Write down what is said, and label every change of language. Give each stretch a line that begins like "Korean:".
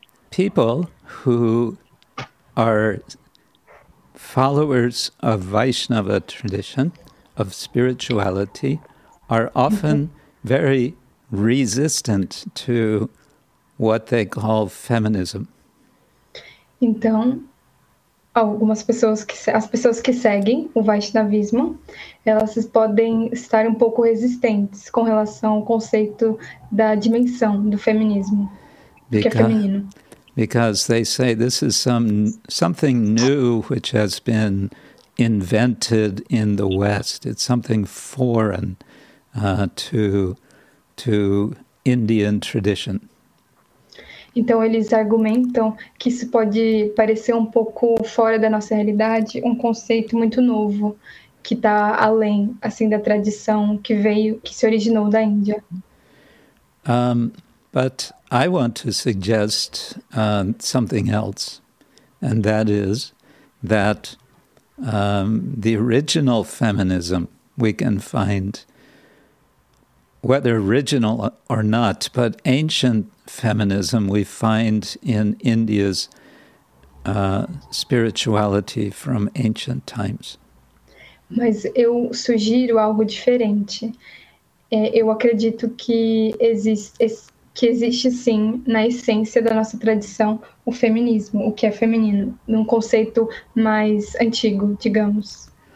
English: People who are followers of Vaishnava tradition, of spirituality, are often very resistant to what they call feminism.
Portuguese: Então, as pessoas que seguem o Vaishnavismo, elas podem estar um pouco resistentes com relação ao conceito da dimensão do feminismo, que é feminino.
English: Because they say this is something new which has been invented in the West. It's something foreign to Indian tradition.
Portuguese: Então eles argumentam que isso pode parecer um pouco fora da nossa realidade, um conceito muito novo que está além, assim, da tradição que se originou da Índia.
English: But I want to suggest something else, and that is that the original feminism we can find, whether original or not, but ancient feminism we find in India's spirituality from ancient times.
Portuguese: Mas eu sugiro algo diferente. Eu acredito que existe sim na essência da nossa tradição o feminismo, o que é feminino, num conceito mais antigo, digamos.